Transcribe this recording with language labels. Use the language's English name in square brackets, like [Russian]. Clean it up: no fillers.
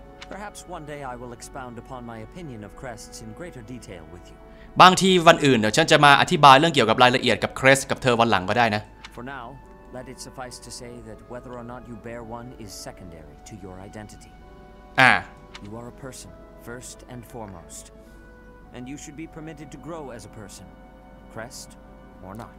[English] Perhaps one day I will expound upon my opinion of crests in greater detail with you. [Thai] บางทีวันอื่นเดี๋ยวฉันจะมาอธิบายเรื่องเกี่ยวกับรายละเอียดกับเครสกับเธอวันหลังก็ได้นะ [English] For now, let it suffice to say that whether or not you bear one is secondary to your identity. You are a person first and foremost, and you should be permitted to grow as a person, crest or not.